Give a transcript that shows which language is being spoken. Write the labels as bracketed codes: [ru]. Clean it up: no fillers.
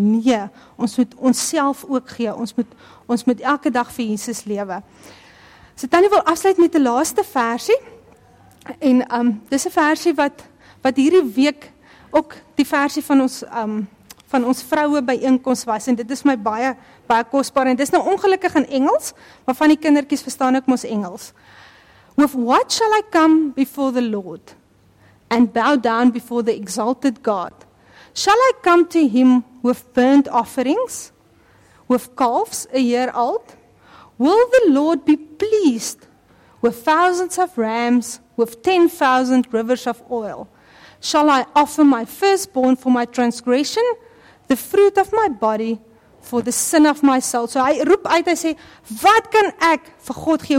[af] Nee, ons moet onsself ook gee. Ons moet elke dag vir Jesus lewe. So Tannie wil afsluit met die laaste versie. En dis 'n versie wat hierdie week ook die versie van ons vroue byeenkoms was en dit is my baie baie kosbaar en dit is nou ongelukkig in Engels, maar van die kindertjies verstaan ek mos Engels. [en] With what shall I come before the Lord and bow down before the exalted God? Shall I come to him with burnt offerings, with calves a year old? Will the Lord be pleased with thousands of rams, with 10,000 rivers of oil? Shall I offer my firstborn for my transgression, the fruit of my body, for the sin of my soul? [af] So hy roep uit, hy sê, wat kan ek vir God gee?